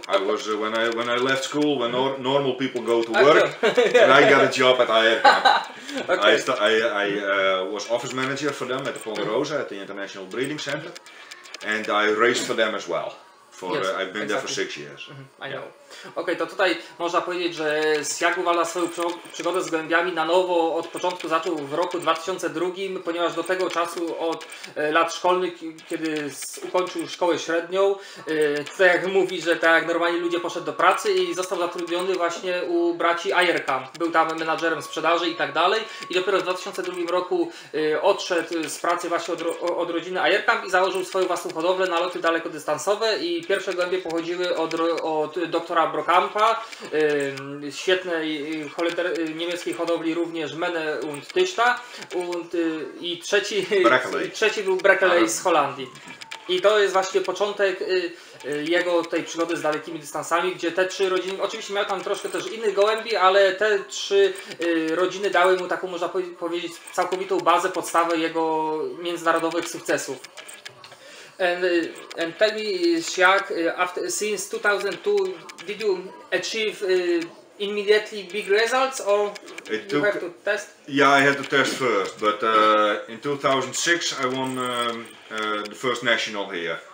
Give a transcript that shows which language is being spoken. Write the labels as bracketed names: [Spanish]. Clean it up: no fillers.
[English] I was when I left school, when normal people go to work, and I got a job at Eierkamp. Okay. I was office manager for them at the Ponderosa at the International Breeding Center, and I raced for them as well. I've been there for 6 years. Mm-hmm. I know. [Polish] Okay, to tutaj można powiedzieć, że Sjagwala swoją przygodę z gołębiami na nowo od początku zaczął w roku 2002, ponieważ do tego czasu od lat szkolnych, kiedy ukończył szkołę średnią, tak jak mówi, że tak jak normalni ludzie poszedł do pracy i został zatrudniony właśnie u braci Ayerka. Był tam menadżerem sprzedaży i tak dalej. I dopiero w 2002 roku odszedł z pracy właśnie od rodziny Ayerka i założył swoją własną hodowlę na loty dalekodystansowe i pierwsze gołębie pochodziły od doktora Brockampa, świetnej niemieckiej hodowli również Mene und Tyszta i trzeci był Brackley z Holandii. I to jest właśnie początek jego tej przygody z dalekimi dystansami, gdzie te trzy rodziny, oczywiście miał tam troszkę też innych gołębi, ale te trzy rodziny dały mu taką, można powiedzieć, całkowitą bazę, podstawę jego międzynarodowych sukcesów. [English] And tell me, Siak, after since 2002, did you achieve immediately big results, or you have to test? Yeah, I had to test first, but in 2006 I won the first national here.